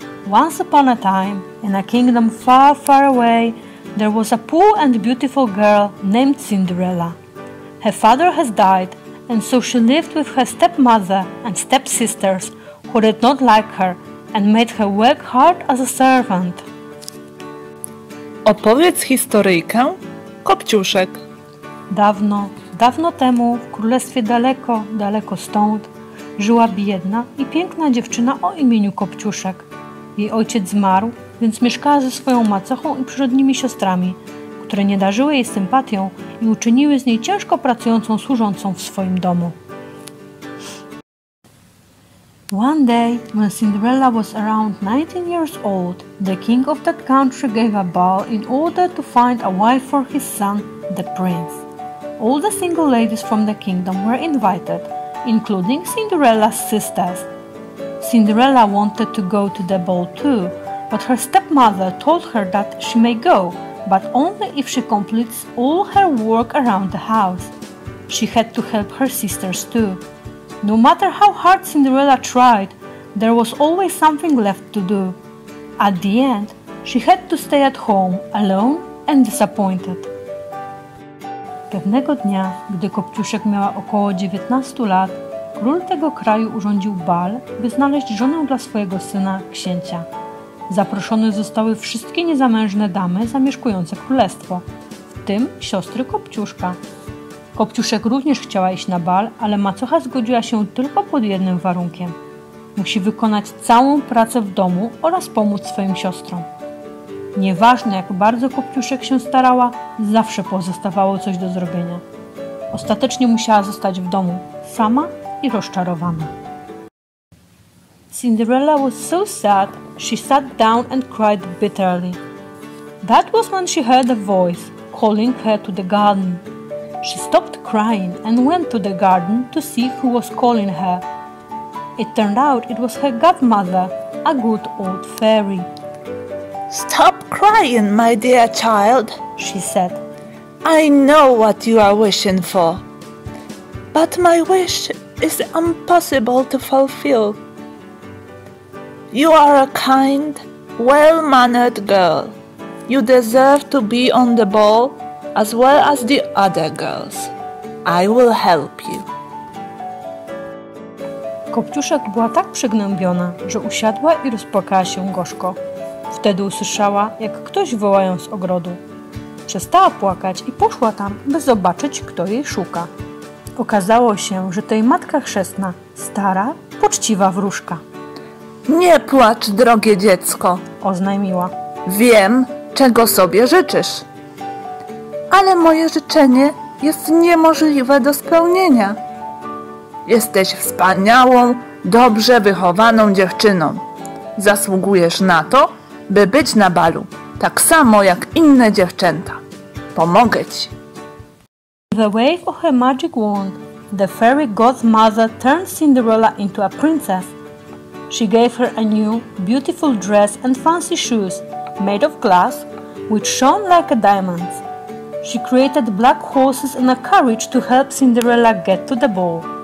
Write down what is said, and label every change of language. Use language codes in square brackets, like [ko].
[en] Once upon a time, in a kingdom far, far away, there was a poor and beautiful girl named Cinderella. Her father has died, and so she lived with her stepmother and stepsisters, who did not like her and made her work hard as a servant. [pl] Opowiedz historyjkę, Kopciuszek. Dawno, dawno temu, w królestwie daleko, daleko stąd, żyła biedna i piękna dziewczyna o imieniu Kopciuszek. Jej ojciec zmarł, więc mieszkała ze swoją macochą i przyrodnimi siostrami, które nie darzyły jej sympatią i uczyniły z niej ciężko pracującą służącą w swoim domu. [en] One day, when Cinderella was around 19 years old, the king of that country gave a ball in order to find a wife for his son, the prince. All the single ladies from the kingdom were invited, including Cinderella's sisters. Cinderella wanted to go to the ball too, but her stepmother told her that she may go, but only if she completes all her work around the house. She had to help her sisters too. No matter how hard Cinderella tried, there was always something left to do. At the end, she had to stay at home, alone and disappointed. [pl] Pewnego dnia, gdy Kopciuszek miała około 19 lat, król tego kraju urządził bal, by znaleźć żonę dla swojego syna, księcia. Zaproszone zostały wszystkie niezamężne damy zamieszkujące królestwo, w tym siostry Kopciuszka. Kopciuszek również chciała iść na bal, ale macocha zgodziła się tylko pod jednym warunkiem. Musi wykonać całą pracę w domu oraz pomóc swoim siostrom. Nieważne, jak bardzo Kopciuszek się starała, zawsze pozostawało coś do zrobienia. Ostatecznie musiała zostać w domu, sama i rozczarowana. [en] Cinderella was so sad, she sat down and cried bitterly. That was when she heard a voice calling her to the garden. She stopped crying and went to the garden to see who was calling her. It turned out it was her godmother, a good old fairy. Stop crying, my dear child, she said. I know what you are wishing for. But my wish is impossible to fulfill. You are a kind, well-mannered girl. You deserve to be on the ball as well as the other girls. I will help you. [pl] Kopciuszek była tak przygnębiona, że usiadła i rozpłakała się gorzko. Wtedy usłyszała, jak ktoś woła ją z ogrodu. Przestała płakać i poszła tam, by zobaczyć, kto jej szuka. Okazało się, że to jej matka chrzestna, stara, poczciwa wróżka. Nie płacz, drogie dziecko, oznajmiła. Wiem, czego sobie życzysz. Ale moje życzenie jest niemożliwe do spełnienia. Jesteś wspaniałą, dobrze wychowaną dziewczyną. Zasługujesz na to, by być na balu, tak samo jak inne dziewczęta. Pomogę ci. [en] With a wave of her magic wand, the fairy godmother turned Cinderella into a princess. She gave her a new, beautiful dress and fancy shoes, made of glass, which shone like a diamond. She created black horses and a carriage to help Cinderella get to the ball.